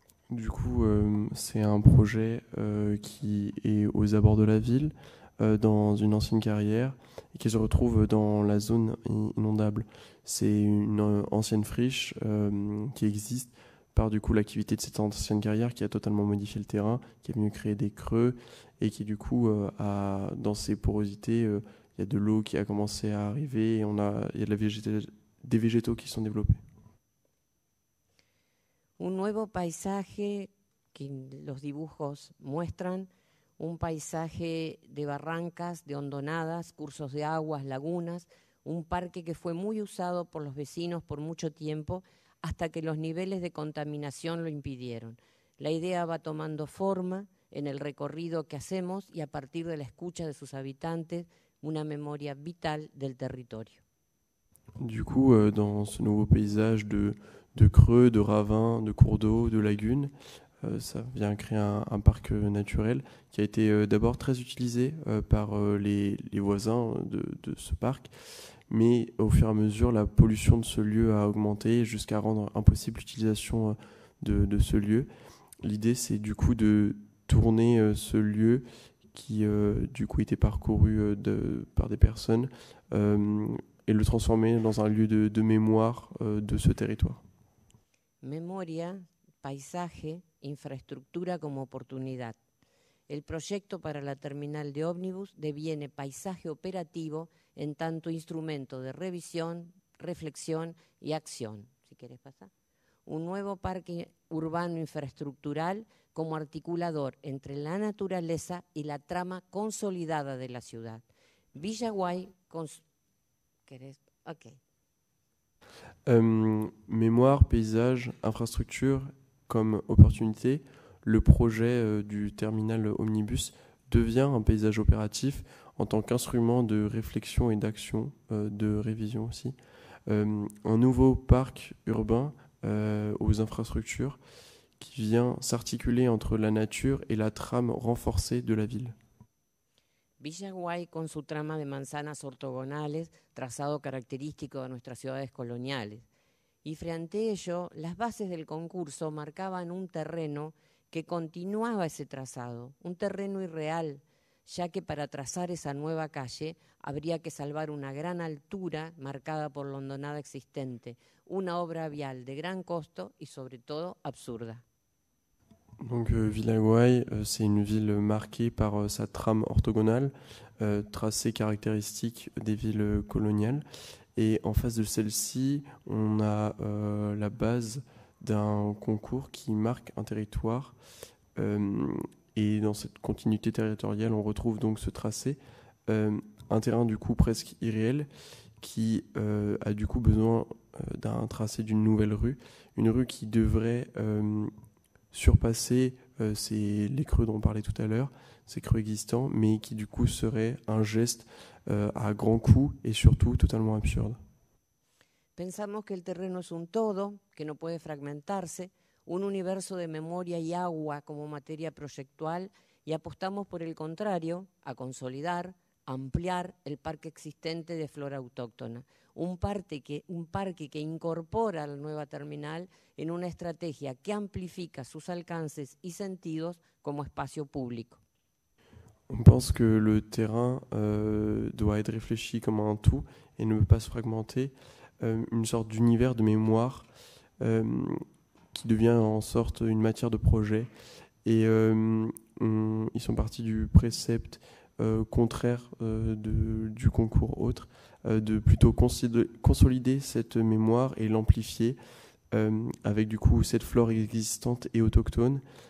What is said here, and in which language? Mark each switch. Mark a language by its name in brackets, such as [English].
[French] Du coup, c'est un projet qui est aux abords de la ville, dans une ancienne carrière, et qui se retrouve dans la zone inondable. C'est une ancienne friche qui existe par du coup l'activité de cette ancienne carrière qui a totalement modifié le terrain, qui est venu créer des creux et qui du coup a dans ses porosités il y a de l'eau qui a commencé à arriver et il y a de la des végétaux qui sont développés. [Spanish] Un nuevo paisaje que los dibujos muestran, un paisaje de barrancas, de hondonadas, cursos de aguas, lagunas. Un parque que fue muy usado por los vecinos por mucho tiempo, hasta que los niveles de contaminación lo impidieron. La idea va tomando forma en el recorrido que hacemos y a partir de la escucha de sus habitantes, una memoria vital del territorio. [French] Du coup, dans ce nouveau paysage de creux, de ravins, de cours d'eau, de lagunes, ça vient créer un parc naturel qui a été d'abord très utilisé par les voisins de ce parc, mais au fur et à mesure, la pollution de ce lieu a augmenté jusqu'à rendre impossible l'utilisation de ce lieu. L'idée, c'est du coup de tourner ce lieu qui du coup était parcouru par des personnes et le transformer dans un lieu de mémoire de ce territoire. [Spanish] Memoria, paisaje, infraestructura como oportunidad. El proyecto para la terminal de ómnibus deviene paisaje operativo en tanto instrumento de revisión, reflexión y acción. Si quieres pasar. Un nuevo parque urbano infraestructural como articulador entre la naturaleza y la trama consolidada de la ciudad. Villa Guay, ¿quieres? Ok. [French] Mémoire, paysage, infraestructura. Comme opportunité, le projet du terminal omnibus devient un paysage opératif en tant qu'instrument de réflexion et d'action, de révision aussi. Un nouveau parc urbain aux infrastructures qui vient s'articuler entre la nature et la trame renforcée de la ville. [Spanish] Villa Guay, con su trama de manzanas ortogonales, trazado característico de nuestras ciudades coloniales. Y frente a ello, las bases del concurso marcaban un terreno que continuaba ese trazado, un terreno irreal, ya que para trazar esa nueva calle habría que salvar una gran altura marcada por la hondonada existente, una obra vial de gran costo y sobre todo absurda. [French] Donc Villaguay, c'est une ville marquée par sa trame orthogonale, tracé caractéristique des villes coloniales. Et en face de celle-ci, on a la base d'un concours qui marque un territoire. Et dans cette continuité territoriale, on retrouve donc ce tracé. Un terrain du coup presque irréel qui a du coup besoin d'un tracé d'une nouvelle rue. Une rue qui devrait surpasser les creux dont on parlait tout à l'heure, ces creux existants, mais qui du coup serait un geste à grand coût et surtout totalement absurde. [Spanish] Pensamos que el terreno es un todo, que no puede fragmentarse, un universo de memoria y agua como materia proyectual, y apostamos por el contrario, a consolidar, ampliar el parque existente de flora autóctona, un parque que incorpora la nueva terminal en una estrategia que amplifica sus alcances y sentidos como espacio público. [French] On pense que le terrain doit être réfléchi comme un tout et ne peut pas se fragmenter, une sorte d'univers de mémoire qui devient en sorte une matière de projet. Et ils sont partis du précepte contraire du concours autre, de plutôt consolider cette mémoire et l'amplifier avec du coup cette flore existante et autochtone.